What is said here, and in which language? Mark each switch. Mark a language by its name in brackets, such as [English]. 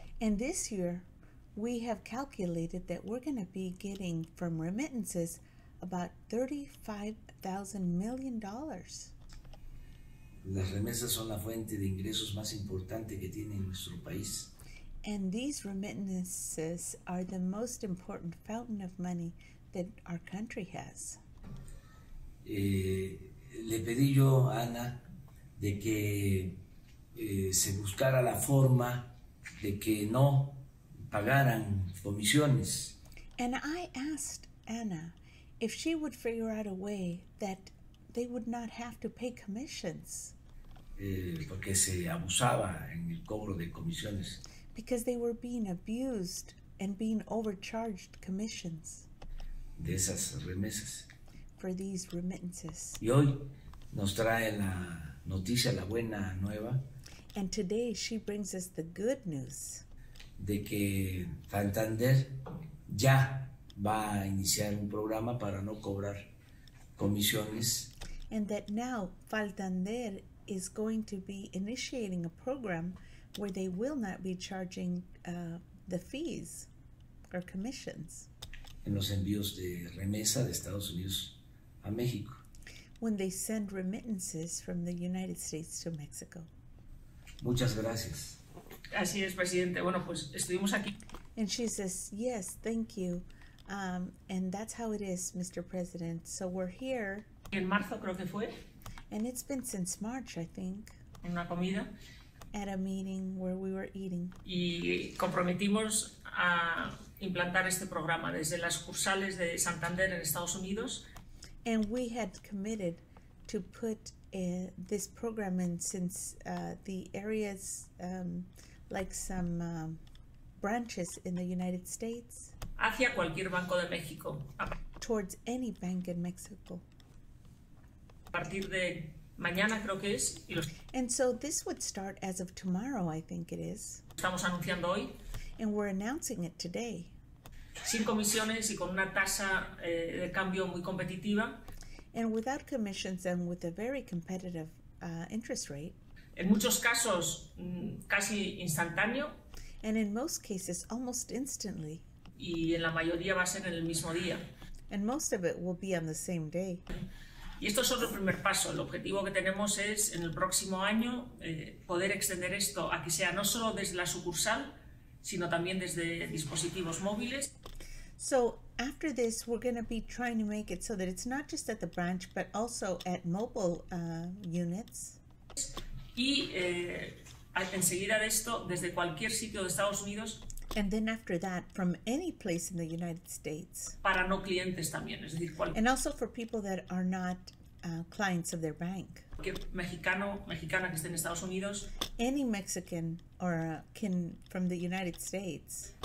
[English] And this year, we have calculated that we're going to be getting from remittances about $35,000 million. [Spanish] Las remesas son la fuente de ingresos más importante que tiene nuestro país. [English] And these remittances are the most important fountain of money that our country has. [Spanish] Le pedí yo a Ana de que se buscara la forma de que no pagaran comisiones. [English] And I asked Anna if she would figure out a way that they would not have to pay commissions. [Spanish] Porque se abusaba en el cobro de comisiones. [English] Because they were being abused and being overcharged commissions. [Spanish] De esas remesas. [English] For these remittances. [Spanish] Y hoy nos trae la noticia, la buena nueva. [English] And today she brings us the good news. [Spanish] De que Santander ya va a iniciar un programa para no cobrar comisiones. [English] And that now Santander is going to be initiating a program where they will not be charging the fees or commissions. [Spanish] En los envíos de remesa de Estados Unidos a México. [English] When they send remittances from the United States to Mexico. [Spanish] Muchas gracias. Así es, presidente. Bueno, pues estuvimos aquí. [English] And she says, yes, thank you. And that's how it is, Mr. President. So we're here. [Spanish] En marzo creo que fue. [English] And it's been since March, I think. [Spanish] En una comida. [English] At a meeting where we were eating. [Spanish] Y comprometimos a implantar este programa desde las sucursales de Santander en Estados Unidos. [English] And we had committed to put this program in since the areas like some branches in the United States. [Spanish] Hacia cualquier banco de México. [English] Towards any bank in Mexico. [Spanish] A partir de mañana creo que es. Y los... [English] And so this would start as of tomorrow, I think it is. [Spanish] Estamos anunciando hoy. [English] And we're announcing it today. [Spanish] Sin comisiones y con una tasa de cambio muy competitiva. [English] And without commissions and with a very competitive interest rate. [Spanish] En muchos casos, casi instantáneo. [English] And in most cases, almost instantly. [Spanish] Y en la mayoría va a ser en el mismo día. [English] And most of it will be on the same day. [Spanish] Y esto es otro primer paso. El objetivo que tenemos es, en el próximo año, poder extender esto a que sea no solo desde la sucursal, sino también desde dispositivos móviles. [English] So after this, we're going to be trying to make it so that it's not just at the branch, but also at mobile units. [Spanish] Y enseguida de esto, desde cualquier sitio de Estados Unidos. [English] And then after that, from any place in the United States. [Spanish] Para no clientes también, es decir, [English] And also for people that are not clients of their bank. [Spanish] Mexicano, mexicana que esté en Estados Unidos. [English] Any Mexican or can from the United States.